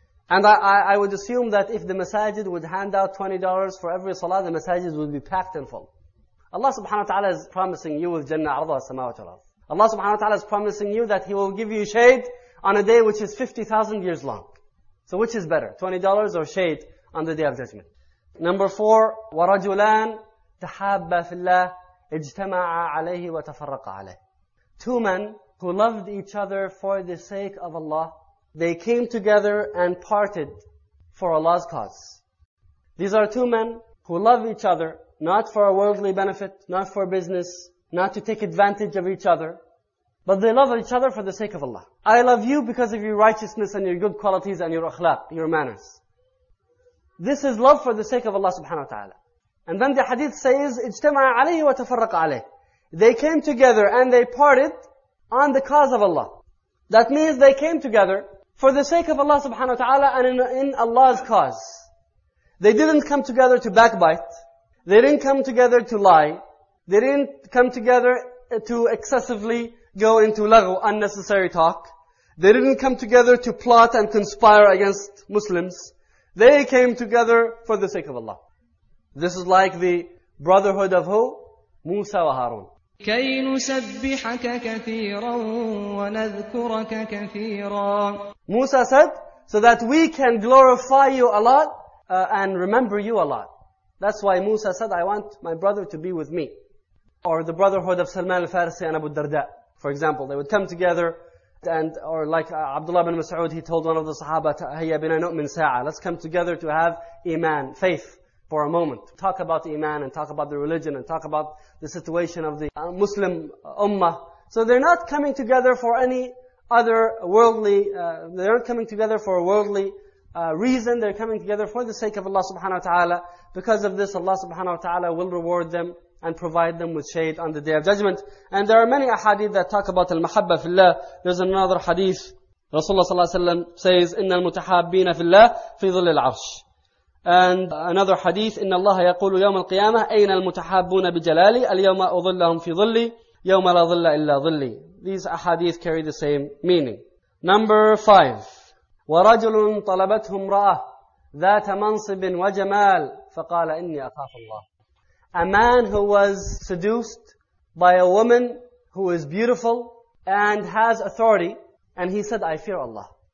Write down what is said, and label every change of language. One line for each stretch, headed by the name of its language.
English: And I would assume that if the masajid would hand out $20 for every salah, the masajid would be packed and full. Allah subhanahu wa ta'ala is promising you with Jannah
Arabic: arda wa samawati al-ard.
English: Allah subhanahu wa ta'ala is promising you that He will give you shade on a day which is 50,000 years long. So which is better, $20 or shade on the Day of Judgment? Number 4,
Arabic: وَرَجُلَانْ تَحَابَّ فِي اللَّهِ اجْتَمَعَ عَلَيْهِ وَتَفَرَّقَ عَلَيْهِ.
English: Two men who loved each other for the sake of Allah, they came together and parted for Allah's cause. These are two men who love each other, not for a worldly benefit, not for business, not to take advantage of each other, but they love each other for the sake of Allah. I love you because of your righteousness and your good qualities and your akhlaq, your manners. This is love for the sake of Allah subhanahu wa ta'ala. And then the hadith says,
Arabic: اجتمع عليه وتفرق عليه.
English: They came together and they parted on the cause of Allah. That means they came together for the sake of Allah subhanahu wa ta'ala and in Allah's cause. They didn't come together to backbite. They didn't come together to lie. They didn't come together to excessively go into lagh, unnecessary talk. They didn't come together to plot and conspire against Muslims. They came together for the sake of Allah. This is like the brotherhood of who? Musa wa Harun.
Arabic: كَيْ نُسَبِّحَكَ كَثِيرًا وَنَذْكُرَكَ كَثِيرًا.
English: Musa said, so that we can glorify you a lot and remember you a lot. That's why Musa said, I want my brother to be with me. Or the brotherhood of Salman al-Farsi and Abu Darda. For example, they would come together and, or like Abdullah ibn Mas'ud, he told one of the Sahaba,
Arabic: هَيَّ بِنَا نُؤْمِنْ سَاعَةً.
English: Let's come together to have iman, faith, for a moment. Talk about iman and talk about the religion and talk about the situation of the Muslim ummah. So they're not coming together for any other worldly, they're not coming together for a worldly reason. They're coming together for the sake of Allah subhanahu wa ta'ala. Because of this, Allah subhanahu wa ta'ala will reward them and provide them with shade on the Day of Judgment. And there are many ahadith that talk about al-mahabba fi Allah. There's another hadith, Rasulullah sallallahu alayhi wa sallam says,
Arabic: إِنَّ الْمُتَحَابِّينَ فِي اللَّهِ فِي ظِلِّ الْعَرْشِ.
English: And another hadith,
Arabic: إِنَّ اللَّهَ يَقُولُ يَوْمَ الْقِيَامَةِ أَيْنَ الْمُتَحَابُّونَ بِجَلَالِي الْيَوْمَ أُظِلَّهُمْ فِي ظِلِّي يَوْمَ لَا ظِلَّ إِلَّا ظِلِّي.
English: These ahadith carry the same meaning. Number 5.
Arabic: وَرَجُلٌ طَلَبَتْهُ امْرَأَةٌ ذَاتَ مَنْصِبٍ وَجَمَالٍ فَقَالَ إِنِّي أَخَافُ اللَّهَ.
English: A man who was seduced by a woman who is beautiful and has authority, and he said, I fear Allah.